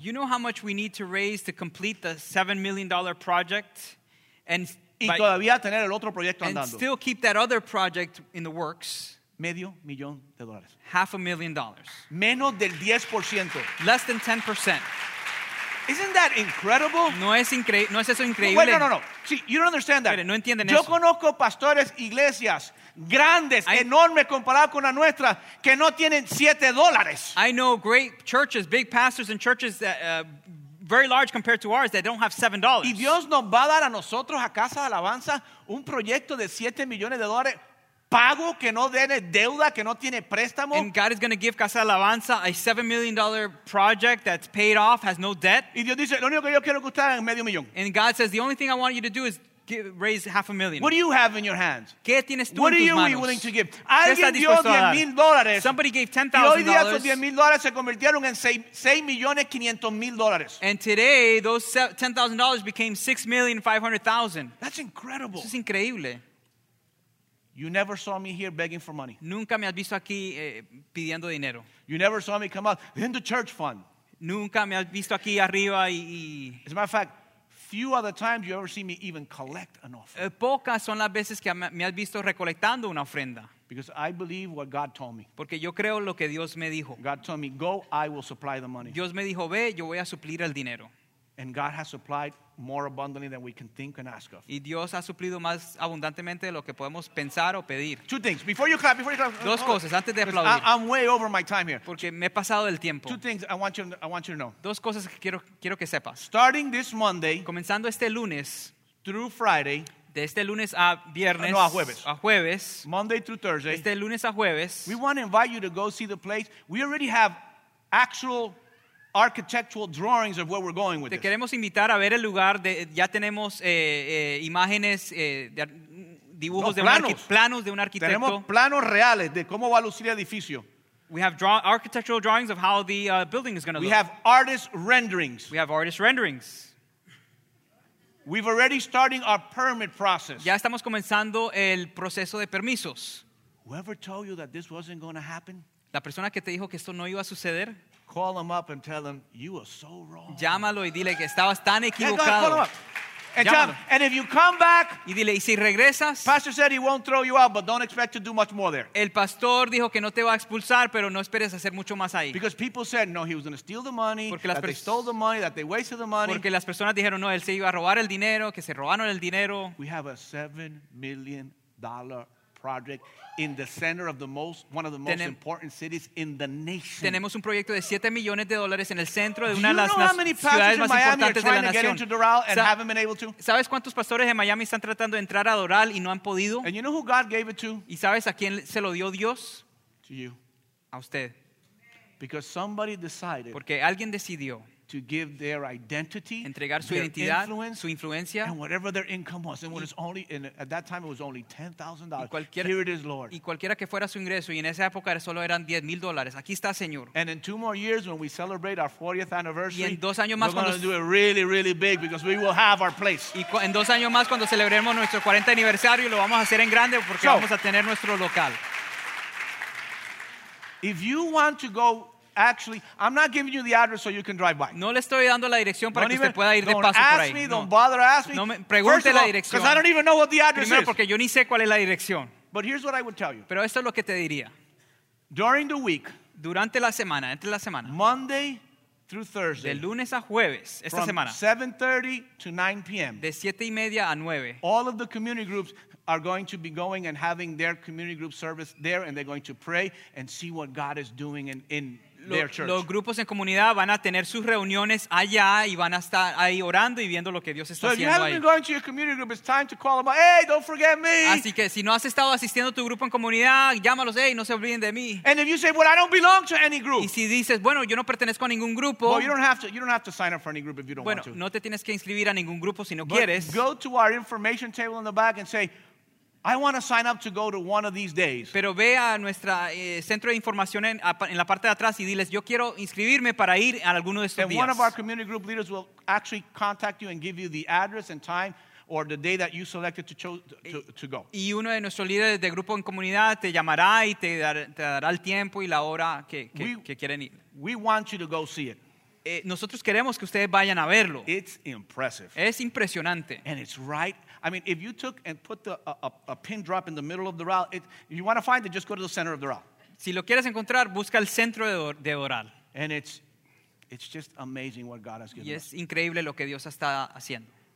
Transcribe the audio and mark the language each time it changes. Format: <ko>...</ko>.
<en>You know how much we need to raise to complete the $7 million project? And</en> <es>y todavía tener el otro proyecto andando.</es> <en>And still keep that other project in the works. $500,000. $500,000.</en> <es>Menos del 10%.</es> <en>Less than 10%. Isn't that incredible?</en> <es>No es eso increíble.</es> <en>No. See, you don't understand that.</en> <es>Pero no entienden yo eso. Yo conozco pastores, iglesias, grandes, enormes comparado con la nuestra, que no tienen $7.</es> <en>I know great churches, big pastors and churches that very large compared to ours, they don't have $7.</en> <es>Y Dios nos va a dar a nosotros a Casa de Alabanza un proyecto de $7 million pago que no tiene deuda, que no tiene préstamo.</es> <en>And God is going to give Casa de Alabanza a $7 million project that's paid off, has no debt.</en> <es>Y Dios dice, lo único que yo quiero que usted haga es $500,000.</es> <en>And God says, the only thing I want you to do is raise $500,000. What do you have in your hands?</en> <es>¿Qué tienes tú</es> <en>what</en> <es>en tus</es> <en>are you</en> <es>manos?</es> <en>Willing to give?</en> <es>Alguien dio $10,000.</es> <en>Somebody gave $10,000.</en> <es>Y hoy día $10,000 se convirtieron en $6,500,000.</es> <en>And today those $10,000 became $6,500,000. That's incredible.</en> <es>Eso es increíble.</es> <en>You never saw me here begging for money.</en> <es>Nunca me has visto aquí pidiendo dinero.</es> <en>You never saw me come out in the church fund.</en> <es>Nunca me has visto aquí arriba y.</es> <en>As a matter of fact, few are the times you ever see me even collect an offering.</en> <es>Pocas son las veces que me has visto recolectando una ofrenda.</es> <en>Because I believe what God told me.</en> <es>Porque yo creo lo que Dios me dijo.</es> <en>God told me, go, I will supply the money.</en> <es>Dios me dijo, ve, yo voy a suplir el dinero.</es> <en>And God has supplied more abundantly than we can think and ask of.</en> <es>Y Dios ha suplido más abundantemente de lo que podemos pensar o pedir.</es> <en>Two things. Before you clap.</en> <es>Dos cosas, antes de aplaudir.</es> <en>I'm way over my time here.</en> <es>Porque me he pasado del tiempo.</es> <en>Two things I want you to know.</en> <es>Dos cosas que quiero que sepas.</es> <en>Starting this Monday.</en> <es>Comenzando este lunes.</es> <en>Through Friday.</en> <es>De este lunes a viernes. No, a jueves. A jueves.</es> <en>Monday through Thursday.</en> <es>Este lunes a jueves.</es> <en>We want to invite you to go see the place. We already have actual architectural drawings of where we're going with</en> <es>this. Te queremos invitar a ver el lugar. Ya tenemos imágenes, dibujos, planos de un arquitecto. Tenemos planos reales de cómo va a lucir el edificio.</es> <en>We have architectural drawings of how the building is going to look. We have artist renderings. We have artist renderings. We've already starting our permit process.</en> <es>Ya estamos comenzando el proceso de permisos.</es> <en>Whoever told you that this wasn't going to happen?</en> <es>La persona que te dijo que esto no iba a suceder.</es> <en>Call him up and tell him you are so wrong.</en> <es>Llámalo y dile que estabas tan equivocado.</es> <en>Call him up. And if you come back,</en> <es>y dile, y si regresas,</es> <en>pastor said he won't throw you out, but don't expect to do much more there.</en> <es>El pastor dijo que no te va a expulsar, pero no esperes hacer mucho más ahí.</es> <en>Because people said no, he was going to steal the money.</en> <es>Porque</es> <en>they stole the money, that they wasted the money.</en> <es>Porque las personas dijeron no, él se iba a robar el dinero, que se robaron el dinero.</es> <en>We have a $7 million project in the center of the most one of the most important cities in the nation.</en> <es>Tenemos un proyecto de 7 millones de dólares en el centro de una de las ciudades más importantes de la nación.</es> <en>Get into Doral and haven't been able to?</en> <es>¿Sabes cuántos pastores en Miami están tratando de entrar a Doral y no han podido?</es> <en>And you know who God gave it to?</en> <es>¿Y sabes a quién se lo dio Dios?</es> <en>To you.</en> <es>A usted.</es> <en>Because somebody decided.</en> <es>Porque alguien decidió.</es> <en>To give their identity,</en> <es>entregar su</es> <en>their</en> <es>identidad,</es> <en>influence,</en> <es>su influencia,</es> <en>and whatever their income was, and what is only and at that time it was only $10,000. Here it is, Lord.</en> <es>Y cualquiera que fuera su ingreso, y en esa época solo eran $10,000. Aquí está, Señor.</es> <en>And in two more years, when we celebrate our 40th anniversary,</en> <es>y en dos años más,</es> <en>we're going to do it really, really big because we will have our place.</en> <es>Y en dos años más cuando celebremos nuestro 40 aniversario, lo vamos a hacer en grande porque vamos a tener nuestro local.</es> <en>If you want to go. Actually, I'm not giving you the address so you can drive by.</en> <es>No le estoy dando la dirección para que usted pueda ir de paso por ahí.</es> <en>Don't ask me, don't bother ask me.</en> <es>No me pregunte la dirección.</es> <en>Because I don't even know what the address is.</en> <es>Porque yo ni sé cuál es la dirección.</es> <en>But here's what I would tell you.</en> <es>Pero esto es lo que te diría.</es> <en>During the week,</en> <es>durante la semana, entre la semana,</es> <en>Monday through Thursday,</en> <es>de lunes a jueves, esta semana,</es> <en>from 7:30 to 9 p.m.,</en> <es>de 7 y media a 9,</es> <en>all of the community groups are going to be going and having their community group service there, and they're going to pray and see what God is doing in</en> <es>los grupos en comunidad van a tener sus reuniones allá y van a estar ahí orando y viendo lo que Dios está haciendo ahí. Así que si no has estado asistiendo a tu grupo en comunidad, llámalos, hey, no se olviden de mí.</es> <en>And if you say, well, I don't belong to any group.</en> <es>Y si dices, bueno, yo no pertenezco a ningún grupo, bueno, no te tienes que inscribir a ningún grupo si no quieres.</es> <en>Go to our information table in the back and say, I want to sign up to go to one of these days.</en> <es>Pero ve a nuestra centro de información en la parte de atrás y diles, yo quiero inscribirme para ir a alguno de estos días.</es> <en>And one of our community group leaders will actually contact you and give you the address and time or the day that you selected to go.</en> <es>Y uno de nuestros líderes de grupo en comunidad te llamará y te dará el tiempo y la hora que quieren ir.</es> <en>We want you to go see it.</en> <es>Nosotros queremos que ustedes vayan a verlo.</es> <en>It's impressive.</en> <es>Es impresionante.</es> <en>And it's right. I mean, if you took and put a pin drop in the middle of the Doral, if you want to find it, just go to the center of the Doral.</en> <es>Si lo quieres encontrar, busca el centro de Doral.</es> <en>And it's just amazing what God has given</en> <es>us. Y es increíble lo que Dios está haciendo.</es>